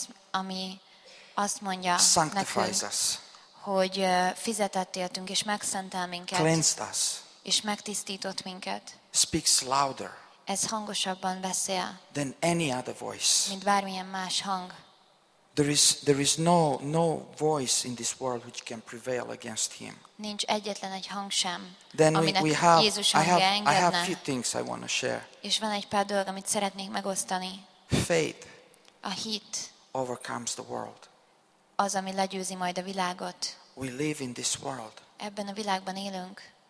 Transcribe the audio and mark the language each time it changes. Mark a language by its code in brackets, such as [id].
[hu] Ami azt mondja [en] sanctifies [hu] nekünk, [en] us. [hu] Hogy fizetett éltünk, és megszentel minket. [en] Cleansed us. [hu] És megtisztított minket. [en] Speaks louder. [hu] Ez hangosabban beszél. [en] Than any other voice. [hu] Mint bármilyen más hang. [en] There is no voice in this world which can prevail against him. [hu] Nincs egyetlen egy hang sem. [en] Then [hu] aminek [en] I have few things I want to share. [hu] És van egy pár dolog, amit szeretnék megosztani. [en] Faith. [hu] A hit. [en] Overcomes the world. [hu] Az, ami legyőzi majd a világot. [en] We live in this world. [hu] Ebben a világban élünk.